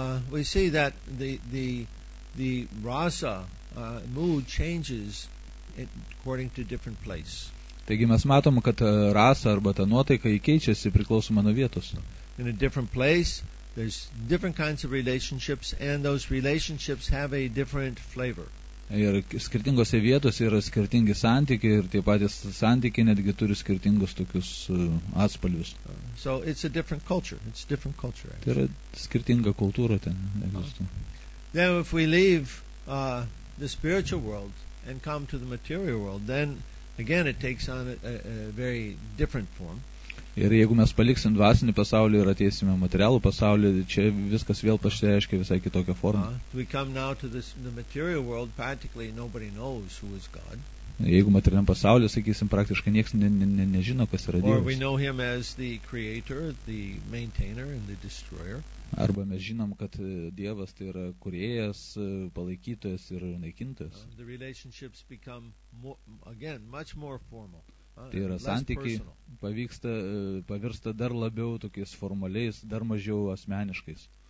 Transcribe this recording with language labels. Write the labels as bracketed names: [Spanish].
[English] We see that the rasa mood changes according to different place. [Lithuanian] Taigi mes matom, kad rasa arba ta nuotaika keičiasi priklausomai nuo vietos. [English] In a different place there's different kinds of relationships and those relationships have a different flavor. [Lithuanian] Ir skirtingose vietose yra skirtingi santykiai ir tie patys santykiai netgi turi skirtingus tokius atspalvius. [English] So it's a different culture. It's a different culture. [Lithuanian] Tai yra skirtinga kultūra ten egzistuoja. [English] Then if we leave the spiritual world and come to the material world, then again it takes on a very different form. [Lithuanian] Ir jeigu mes paliksim dvasinį pasaulį ir ateisime materialų pasaulį, čia viskas vėl pasireiškia visai kitokią formą. [English] We come now to the material world, practically nobody knows who is God. [Lithuanian] Jeigu materialiam pasaulį, sakysim, praktiškai nieks nežino, kas yra Dievas. [English] Or we know him as the creator, the maintainer, and the destroyer. [Lithuanian] Arba mes žinom, kad Dievas tai yra kūrėjas, palaikytojas ir naikintojas. [English] The relationships become again much more formal. [Lithuanian] Tai yra santykiai pavirsta dar labiau tokiais formaliais, dar mažiau asmeniškais.